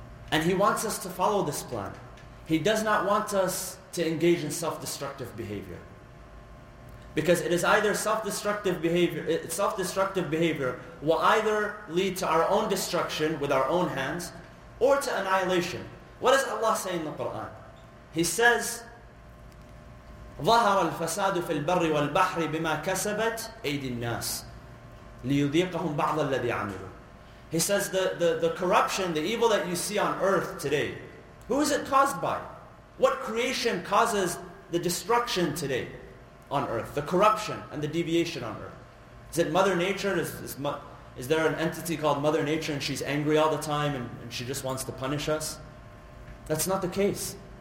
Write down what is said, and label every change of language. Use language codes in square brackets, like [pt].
[en] And he wants us to follow this plan. He does not want us to engage in self-destructive behavior. Because it is either self-destructive behavior will either lead to our own destruction with our own hands or to annihilation. What does Allah say in the Quran? He says, [ar] ظهر الفساد في البر والبحر بما كسبت أيدي الناس ليذيقهم بعض الذي عملوا. [en] He says the corruption, the evil that you see on earth today, who is it caused by? What creation causes the destruction today on earth? The corruption and the deviation on earth. Is it Mother Nature? Is there an entity called Mother Nature and she's angry all the time and she just wants to punish us? That's not the case.